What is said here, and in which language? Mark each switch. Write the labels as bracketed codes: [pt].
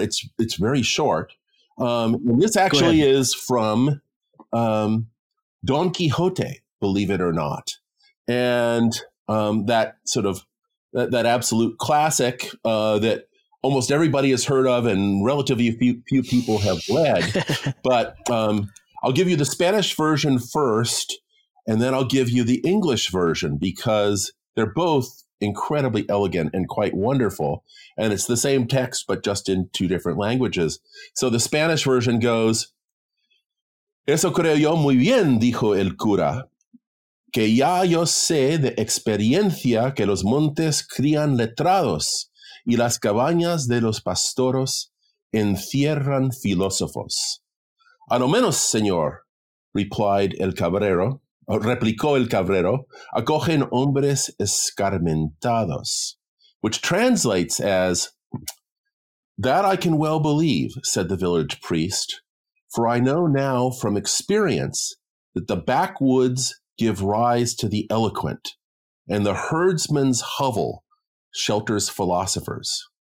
[en] It's very short. This actually is from Don Quixote, believe it or not, and that sort of that absolute classic that almost everybody has heard of and relatively few people have read. But I'll give you the Spanish version first, and then I'll give you the English version because they're both incredibly elegant and quite wonderful. And it's the same text, but just in two different languages. So the Spanish version goes, [es] "Eso creo yo muy bien," dijo el cura, "que ya yo sé de experiencia que los montes crían letrados y las cabañas de los pastores encierran filósofos." "A lo menos, señor," [en] replied [es] el cabrero, replicó el cabrero, acogen hombres escarmentados, [en] which translates as, "That I can well believe," said the village priest, "for I know now from experience that the backwoods give rise to the eloquent, and the herdsman's hovel shelters philosophers."